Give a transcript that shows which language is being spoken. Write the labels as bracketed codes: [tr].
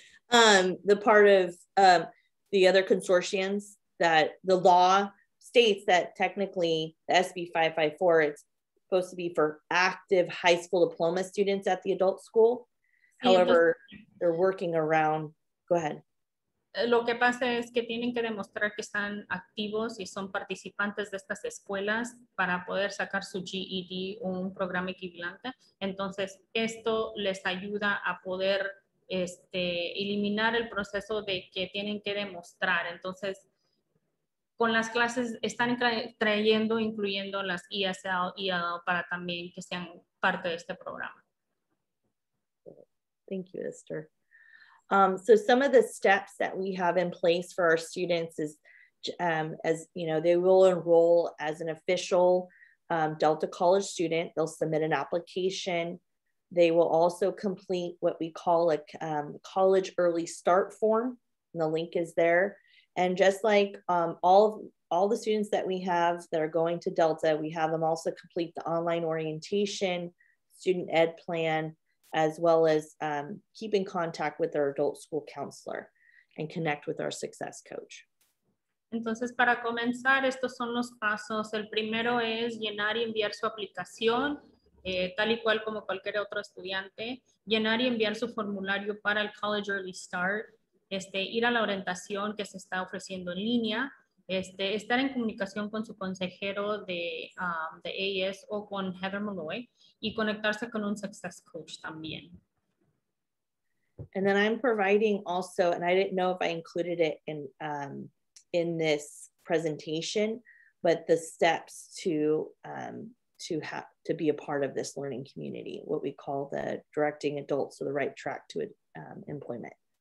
[en] the part of the other consortiums, that the law states that technically SB 554, it's supposed to be for active high school diploma students at the adult school. However, they're working around, go ahead. [es] Lo que pasa es que tienen que demostrar que están activos y son participantes de estas escuelas para poder sacar su GED o un programa equivalente. Entonces, esto les ayuda a poder este, eliminar el proceso de que tienen que demostrar. Entonces, con las clases están trayendo, incluyendo las ESL y ELL para también que sean parte de este programa. [en] Thank you, Esther. So some of the steps that we have in place for our students is, as you know, they will enroll as an official Delta College student. They'll submit an application. They will also complete what we call a college early start form. And the link is there. And just like all the students that we have that are going to Delta, we have them also complete the online orientation, student ed plan, as well as keep in contact with their adult school counselor and connect with our success coach. [es] Entonces, para comenzar, estos son los pasos. El primero es llenar y enviar su aplicación, tal y cual como cualquier otro estudiante. Llenar y enviar su formulario para el College Early Start. Este, ir a la orientación que se está ofreciendo en línea, este, estar en comunicación con su consejero de AES o con Heather Maloy, y conectarse con un success coach también. [en] And then I'm providing also, and I didn't know if I included it in this presentation, but the steps to be a part of this learning community, what we call the directing adults to the right track to employment.